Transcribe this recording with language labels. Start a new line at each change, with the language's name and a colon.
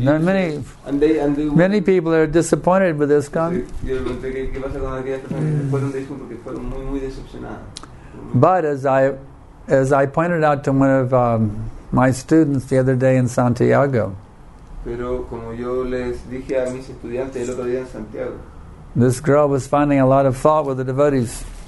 English: There are many many people are disappointed with ISKCON. But as I pointed out to one of my students the other day in Santiago,
Spanish: pero como yo les dije a mis estudiantes el otro día en Santiago,
English: this girl was finding a lot of fault with the devotees.